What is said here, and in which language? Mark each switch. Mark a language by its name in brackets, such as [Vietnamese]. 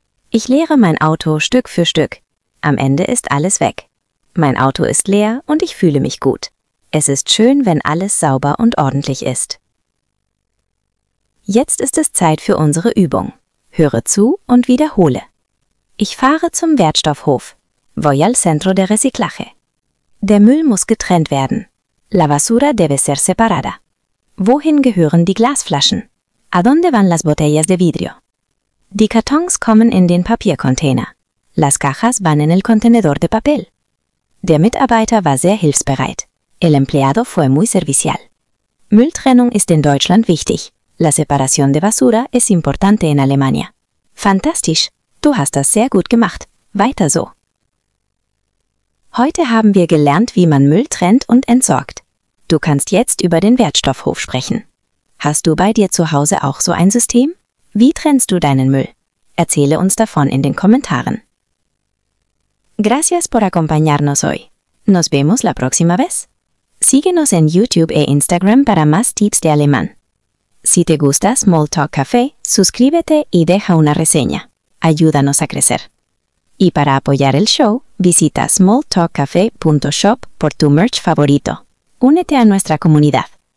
[German] Ich leere mein Auto Stück für Stück. Am Ende ist alles weg. Mein Auto ist leer und ich fühle mich gut. Es ist schön, wenn alles sauber und ordentlich ist. Jetzt ist es Zeit für unsere Übung. Höre zu und wiederhole. Ich fahre zum Wertstoffhof. [Spanish] Voy al centro de reciclaje. [German] Der Müll muss getrennt werden. [Spanish] La basura debe ser separada. [German] Wohin gehören die Glasflaschen? [Spanish] ¿A dónde van las botellas de vidrio? [German] Die Kartons kommen in den Papiercontainer. [Spanish] Las cajas van en el contenedor de papel. [German] Der Mitarbeiter war sehr hilfsbereit. [Spanish] El empleado fue muy servicial. [German] Mülltrennung ist in Deutschland wichtig. [Spanish] La separación de basura es importante en Alemania. [German] Fantastisch! Du hast das sehr gut gemacht. Weiter so! Heute haben wir gelernt, wie man Müll trennt und entsorgt. Du kannst jetzt über den Wertstoffhof sprechen. Hast du bei dir zu Hause auch so ein System? Wie trennst du deinen Müll? Erzähle uns davon in den Kommentaren. [Spanish] Gracias por acompañarnos hoy. Nos vemos la próxima vez. Síguenos en YouTube e Instagram para más tips de alemán. Si te gusta Small Talk Café, suscríbete y deja una reseña. Ayúdanos a crecer. Y para apoyar el show, visita smalltalkcafe.shop por tu merch favorito. Únete a nuestra comunidad.